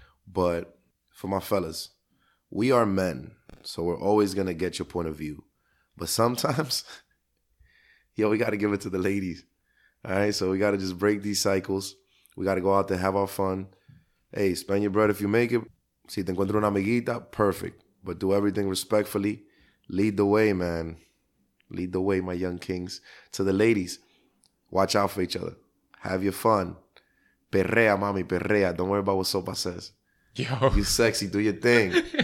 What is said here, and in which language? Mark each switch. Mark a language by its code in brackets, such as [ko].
[en] But for my fellas, we are men, so we're always going to get your point of view. But sometimes, yo, we got to give it to the ladies. All right, so we got to just break these cycles. We got to go out there, have our fun. Hey, spend your bread if you make it. [es] Si te encuentro una amiguita, perfect. [en] But do everything respectfully. Lead the way, man. Lead the way, my young kings. To the ladies, watch out for each other. Have your fun. [es] Perrea, mami, perrea. [en] Don't worry about what Sopa says. Yo. You sexy, do your thing.